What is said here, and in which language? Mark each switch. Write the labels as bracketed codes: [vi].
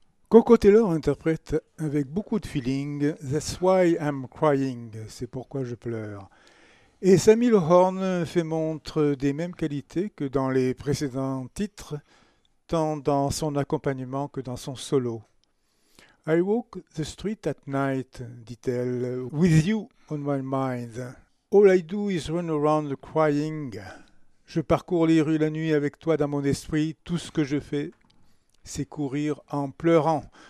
[fr] From. Coco Taylor interprète avec beaucoup de feeling « That's why I'm crying », « C'est pourquoi je pleure ». Et Sammy Lohorn fait montre des mêmes qualités que dans les précédents titres, tant dans son accompagnement que dans son solo. [en] « I walk the street at night », [fr] dit-elle, [en] « with you on my mind. All I do is run around crying. [fr] Je parcours les rues la nuit avec toi dans mon esprit, tout ce que je fais. » C'est courir en pleurant.